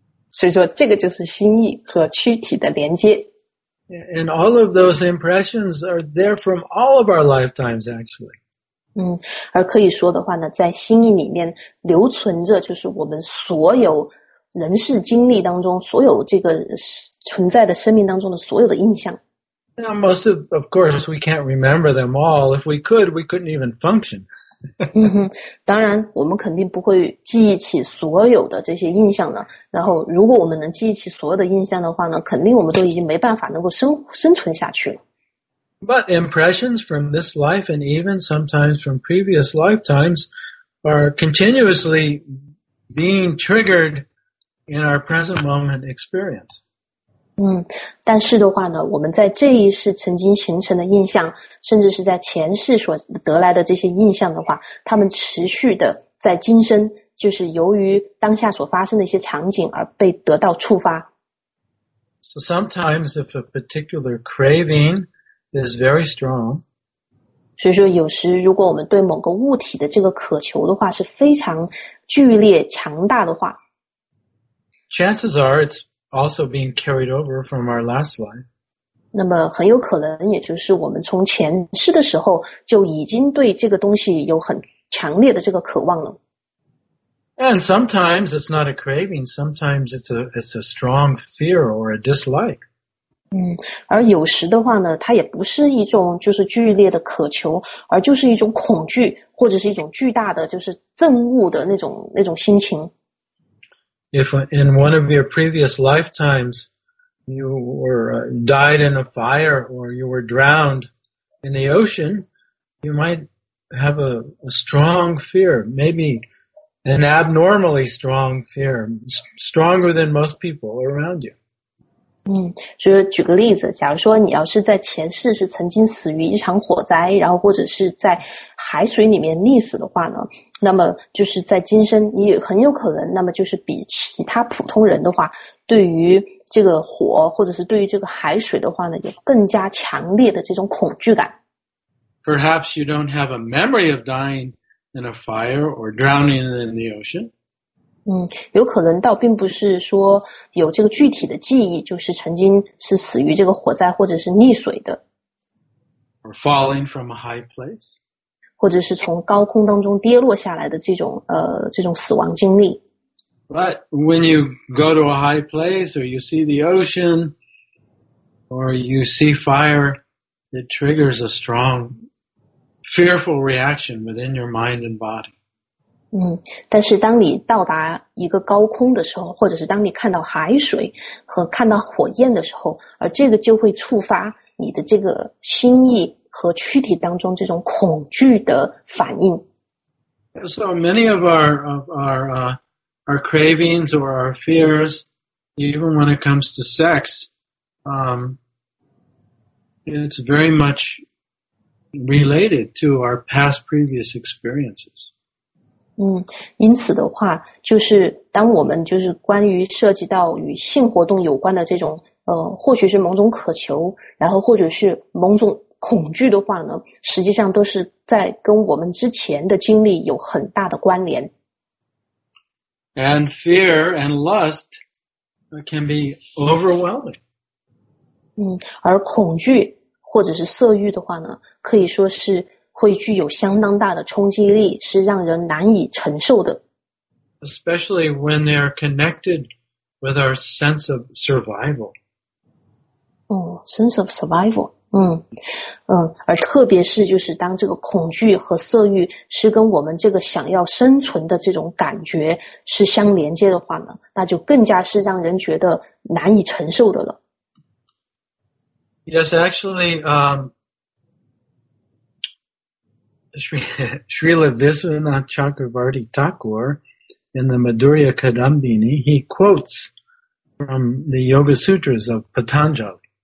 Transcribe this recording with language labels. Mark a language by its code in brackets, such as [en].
[zh] 所以说这个就是心意和躯体的连接。 [en] And all of those impressions are there from all of our lifetimes, actually. [zh] 而可以说的话呢，在心意里面留存着就是我们所有人世经历当中所有这个存在的生命当中的所有的印象。 [en] Now, most of course, we can't remember them all. If we could, we couldn't even function. [zh] 当然我们肯定不会记忆起所有的这些印象的。然后如果我们能记忆起所有的印象的话呢，肯定我们都已经没办法能够生存下去了。 [en] But impressions from this life and even sometimes from previous lifetimes are continuously being triggered in our present moment experience. [zh] 但是的话呢，我们在这一世曾经形成的印象，甚至是在前世所得来的这些印象的话，他们持续的在今生，就是由于当下所发生的一些场景而被得到触发。 [en] So sometimes if a particular craving is very strong, [zh] 所以说有时如果我们对某个物体的这个渴求的话是非常剧烈强大的话， [en] chances are it's also being carried over from our last life. [zh] 那么很有可能也就是我们从前世的时候就已经对这个东西有很强烈的这个渴望了。 [en] And sometimes it's not a craving, sometimes it's a strong fear or a dislike. [zh] 而有时的话呢，它也不是一种就是剧烈的渴求，而就是一种恐惧或者是一种巨大的就是憎恶的那种心情。 [en] If in one of your previous lifetimes you were died in a fire or you were drowned in the ocean, you might have a strong fear, maybe an abnormally strong fear, stronger than most people around you. [zh] 所以举个例子，假如说你要是在前世是曾经死于一场火灾，然后或者是在海水里面溺死的话呢，那么就是在今生你也很有可能，那么就是比其他普通人的话，对于这个火或者是对于这个海水的话呢，有更加强烈的这种恐惧感。 [en] Perhaps you don't have a memory of dying in a fire or drowning in the ocean. [zh] 有可能倒并不是说有这个具体的记忆，就是曾经是死于这个火灾或者是溺水的。 [en] Or falling from a high place. [zh] 或者是从高空当中跌落下来的这种死亡经历。 [en] But when you go to a high place, or you see the ocean, or you see fire, it triggers a strong, fearful reaction within your mind and body. [zh] 但是当你到达一个高空的时候，或者是当你看到海水和看到火焰的时候，而这个就会触发你的这个心意和躯体当中这种恐惧的反应。 [en] So many of our cravings or our fears, even when it comes to sex, it's very much related to our past previous experiences. [zh] 因此的话就是当我们就是关于涉及到与性活动有关的这种或许是某种渴求，然后或者是某种恐惧的话呢，实际上都是在跟我们之前的经历有很大的关联。 [en] And fear and lust can be overwhelming. [zh] 而恐惧或者是色欲的话呢，可以说是会具有相当大的冲击力，是让人难以承受的。 [en] Especially when they are connected with our sense of survival. Sense of survival. [zh] 而特别是就是当这个恐惧和色欲是跟我们这个想要生存的这种感觉是相连接的话呢，那就更加是让人觉得难以承受的了。 [en] Yes, actually, Srila Viswanath Chakravarti Thakur in the Madhurya Kadambini, he quotes from the Yoga Sutras of Patanjali.